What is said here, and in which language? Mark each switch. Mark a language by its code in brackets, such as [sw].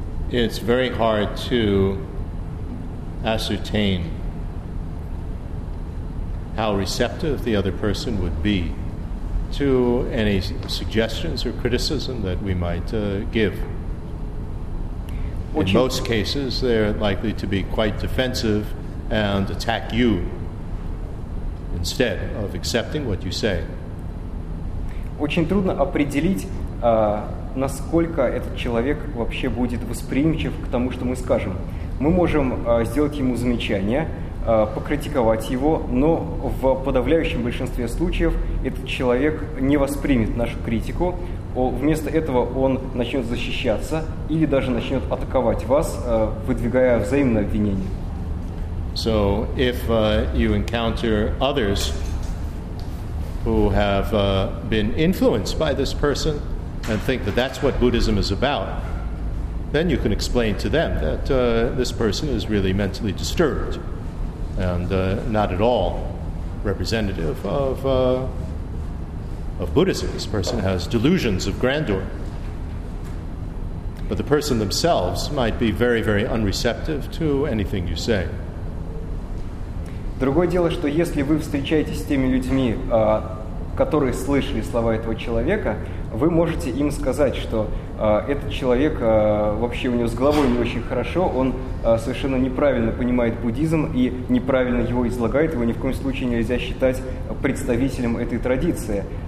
[en] It's very hard to ascertain how receptive the other person would be to any suggestions or criticism that we might give. In most cases, they're likely to be quite defensive and attack you instead of accepting what you say. [ru] Очень трудно определить, насколько этот человек вообще будет восприимчив к тому, что мы скажем. Мы можем сделать ему замечание, покритиковать его, но в подавляющем большинстве случаев этот человек не воспримет нашу критику. Вместо этого он начнет защищаться или даже начнет атаковать вас, выдвигая взаимное обвинение. [en] So if you encounter others who have been influenced by this person, and think that that's what Buddhism is about, then you can explain to them that this person is really mentally disturbed and not at all representative of Buddhism. This person has delusions of grandeur. But the person themselves might be very, very unreceptive to anything you say. [ru] Другое дело, что если вы встречаетесь с теми людьми, которые слышали слова этого человека, вы можете им сказать, что этот человек, вообще у него с головой не очень хорошо, он совершенно неправильно понимает буддизм и неправильно его излагает, его ни в коем случае нельзя считать представителем этой традиции.